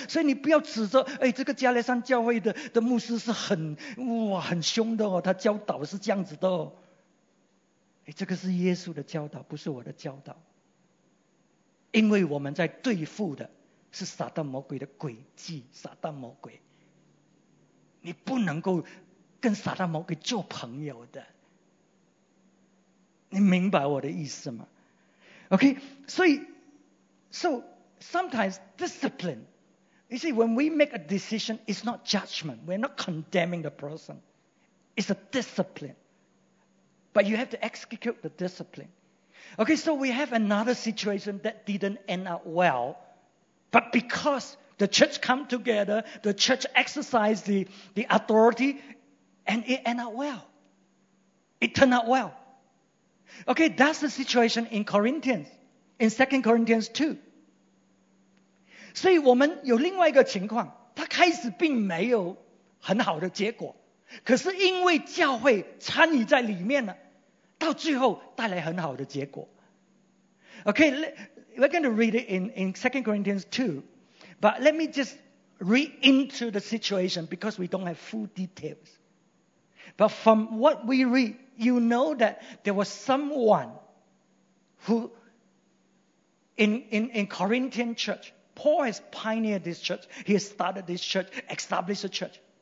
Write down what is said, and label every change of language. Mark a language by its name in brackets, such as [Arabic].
[Chinese] 所以你不要指责，哎，这个加勒山教会 的牧师是很哇很凶的哦，他教导是这样子的哦。哎，这个是耶稣的教导，不是我的教导。因为我们在对付的是撒旦魔鬼的诡计，撒旦魔鬼。你不能够跟撒旦魔鬼做朋友的。你明白我的意思吗？ [English] Okay, so sometimes discipline, you see, when we make a decision, it's not judgment. We're not condemning the person. It's a discipline. But you have to execute the discipline. Okay, so we have another situation that didn't end up well. But because the church come together, the church exercised the authority, and it ended up well. It turned out well. Okay, that's the situation in Corinthians, in 2 Corinthians 2. [Chinese] 所以我们有另外一个情况，他开始并没有很好的结果，可是因为教会参与在里面了，到最后带来很好的结果。 [English] Okay, we're going to read it in 2 Corinthians 2, but let me just read into the situation because we don't have full details. But from what we read,you know that there was someone who in Corinthian church, Paul has pioneered this church, he has started this church, established a church.